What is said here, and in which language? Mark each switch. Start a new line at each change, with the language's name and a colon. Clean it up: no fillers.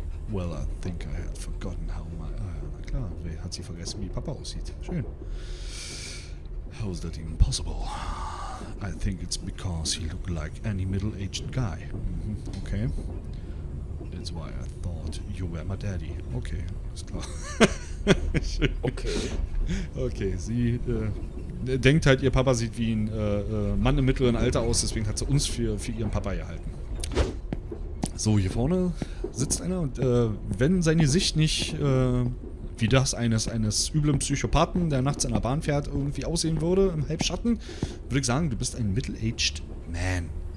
English: Well, I think I had forgotten how my...
German: Ah, na klar, wer hat sie vergessen, wie Papa aussieht? Schön.
English: How is that even possible? I think it's because he looked like any middle-aged guy. Mm-hmm. Okay. That's why I thought you were my daddy.
German: Okay, alles klar.
English: Okay.
German: Okay, sie denkt halt, ihr Papa sieht wie ein Mann im mittleren Alter aus, deswegen hat sie uns für ihren Papa gehalten. So, hier vorne sitzt einer und wenn sein Gesicht nicht wie das eines üblen Psychopathen, der nachts an der Bahn fährt, irgendwie aussehen würde, im Halbschatten, würde ich sagen, du bist ein
English: middle-aged man.